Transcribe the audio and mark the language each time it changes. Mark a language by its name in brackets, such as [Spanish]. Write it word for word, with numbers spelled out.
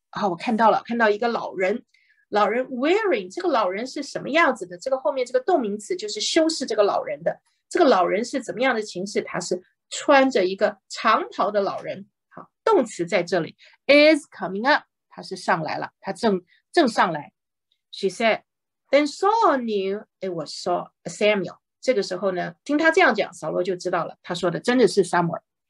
[Chinese] 啊，我看到了，看到一个老人。老人 [English] wearing [Chinese] 这个老人是什么样子的？这个后面这个动名词就是修饰这个老人的。这个老人是怎么样的情势？他是穿着一个长袍的老人。好，动词在这里 [English] is coming up. [Chinese] 他是上来了，他正正上来。 [English] She said, "Then Saul knew it was Saul, Samuel." [Chinese] 这个时候呢，听他这样讲，扫罗就知道了，他说的真的是撒母耳。